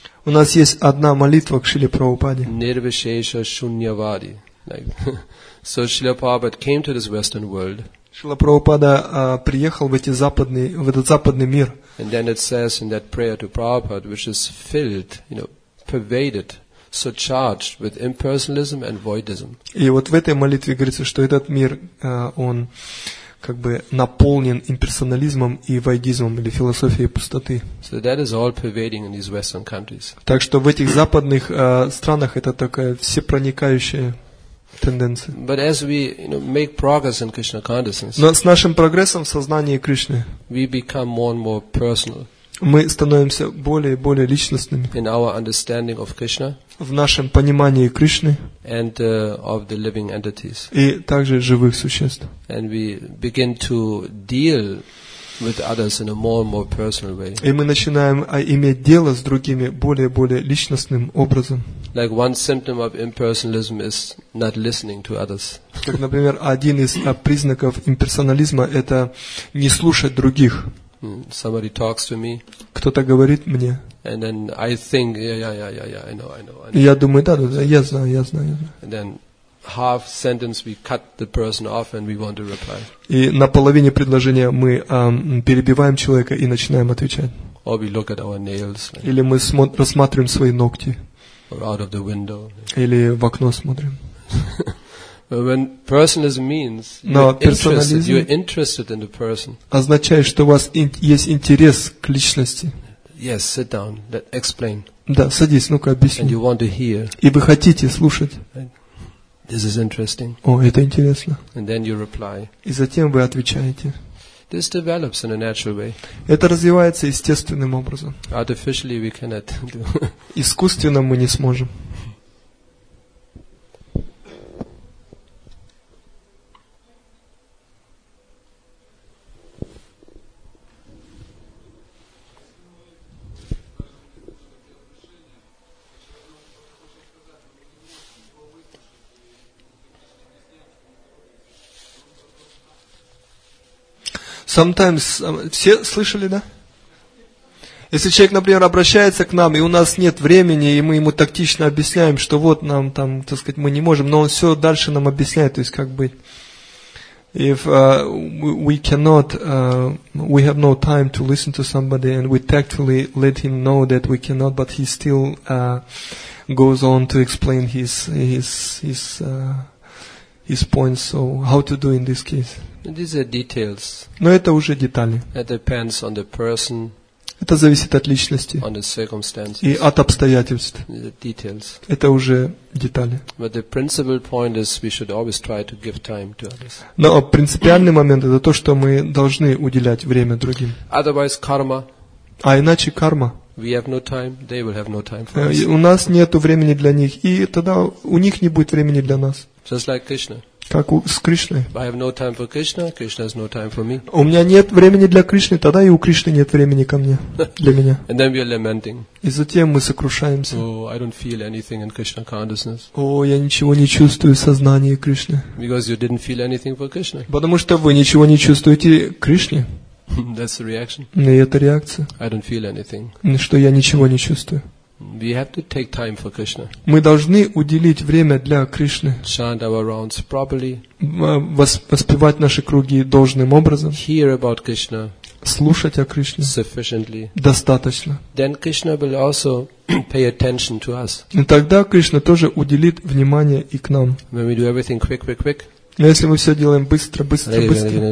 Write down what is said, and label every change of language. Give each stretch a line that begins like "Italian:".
Russian: У нас есть одна молитва к Шриле Прабхупаде.
Sanskrit: Nirvishesha Shunyavadi.
English: Like, so Srila Prabhupada came to this Western world.
Russian: Шрила Прабхупада приехал в этот западный мир.
English: And then it says in that prayer to Prabhupada, which is filled, you know, pervaded. So charged with impersonalism and voidism.
Russian: И вот в этой молитве говорится, что этот мир он как бы наполнен имперсонализмом и воидизмом или философией пустоты.
English: So that is all pervading in these Western countries.
Russian: Так что в этих западных странах это такая всепроникающая тенденция.
English: But as we, you know, make progress in Krishna consciousness,
Russian: но с нашим прогрессом в сознании Кришны,
English: we become more and more personal.
Russian: Мы становимся более и более личностными.
English: In our understanding of Krishna.
Russian: В нашем понимании Кришны
English: and, of the living entities.
Russian: И также живых существ.
English: And we begin to deal with others in a more and more personal way.
Russian: И мы начинаем иметь дело с другими более и более личностным образом.
English: Like one symptom of impersonalism is not listening to others.
Russian: Как, например, один из признаков имперсонализма – это не слушать других.
English: Somebody talks to me.
Russian: Кто-то говорит мне.
English: And then I think, yeah, I know.
Russian: Я думаю, да, я знаю.
English: And then half sentence we cut the person off and we want to reply.
Russian: И на половине предложения мы перебиваем человека и начинаем отвечать.
English: Or we look at our nails.
Russian: Или мы рассматриваем свои ногти.
English: or out of the window.
Russian: Или в окно смотрим.
English: When personalism means you're interested in the person.
Russian: Означает, что у вас есть интерес к личности.
English: Yes, sit down. Let explain.
Russian: Да, садись, ну-ка объясни.
English: And you want to hear.
Russian: И вы хотите слушать.
English: This is interesting.
Russian: О, это интересно.
English: And then you reply.
Russian: И затем вы отвечаете.
English: This develops in a natural way.
Russian: Это развивается естественным образом.
English: Artificially we cannot do.
Russian: Искусственно мы не сможем.
English: Sometimes,
Russian: все слышали, да? Если человек, например, обращается к нам, и у нас нет времени, и мы ему тактично объясняем, что вот нам там, так сказать, мы не можем, но он все дальше нам объясняет, то есть как быть.
English: If we cannot, we have no time to listen to somebody, and we tactfully let him know that we cannot, but he still goes on to explain his points, so how to do in this case. These are details.
Russian: Но это уже детали.
English: It depends on the person,
Russian: это зависит от личности
English: on the circumstances.
Russian: И от обстоятельств.
English: The details.
Russian: Это уже детали.
English: But the principal point is we should always try to give time to others.
Russian: Но принципиальный момент это то, что мы должны уделять время другим.
English: Otherwise, karma.
Russian: А иначе карма.
English: We have no time, they will have no time for us.
Russian: У нас нет времени для них, и тогда у них не будет времени для нас.
English: Just like Krishna.
Russian: Как с Кришной.
English: I have no time for Krishna, Krishna has no time for me.
Russian: У меня нет времени для Кришны, тогда и у Кришны нет времени ко мне, для меня.
English: And then we are lamenting.
Russian: И затем мы сокрушаемся.
English: Oh, I don't feel anything in Krishna consciousness.
Russian: Я ничего не чувствую в сознании Кришны.
English: Because you didn't feel anything for Krishna.
Russian: Потому что вы ничего не чувствуете Кришне.
English: That's the reaction.
Russian: И это реакция.
English: I don't feel anything.
Russian: Что я ничего не чувствую.
English: We have to take time for Krishna.
Russian: Мы должны уделить время для Кришны.
English: Chant our rounds properly.
Russian: Воспевать наши круги должным образом.
English: Hear about Krishna.
Russian: Слушать о Кришне.
English: Sufficiently.
Russian: Достаточно.
English: Then Krishna will also pay attention to us.
Russian: И тогда Кришна тоже уделит внимание и к нам.
English: When we do everything quick, quick, quick.
Russian: Но если мы все делаем быстро, быстро, быстро.